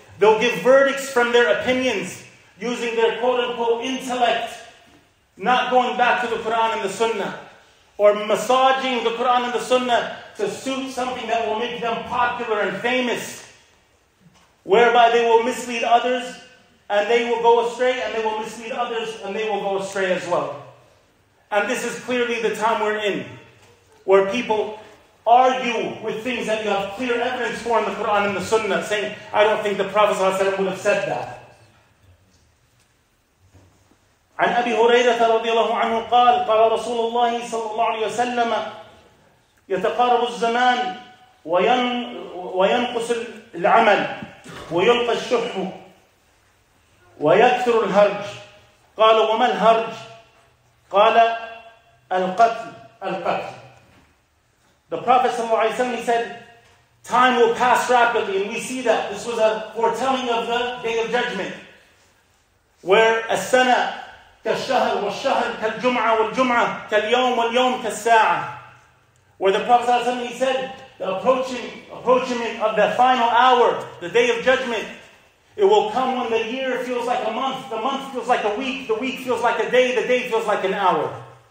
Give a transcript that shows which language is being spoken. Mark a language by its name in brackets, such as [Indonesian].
[English] They'll give verdicts from their opinions, using their quote-unquote intellect, not going back to the Qur'an and the Sunnah, or massaging the Qur'an and the Sunnah to suit something that will make them popular and famous, whereby they will mislead others, and they will go astray, and they will mislead others, and they will go astray as well. And this is clearly the time we're in, where people argue with things that you have clear evidence for in the Quran and the Sunnah, saying, I don't think the Prophet ﷺ would have said that. [Arabic] عن أبي هريرة رضي الله عنه قال قال رسول الله صلى الله عليه وسلم يتقارب الزمان وينقص العمل ويلقى الشح ويكثر الهرج قال وما الهرج قال القتل القتل. [English] The Prophet صلى الله عليه وسلم, he said, time will pass rapidly, and we see that this was a foretelling of the Day of Judgment, where [Arabic] السنة كالشهر والشهر كالجمعة والجمعة كاليوم واليوم كالساعة, [English] where the Prophet ﷺ, he said, the approaching of the final hour, the Day of Judgment, it will come when the year feels like a month, the month feels like a week, the week feels like a day, the day feels like an hour.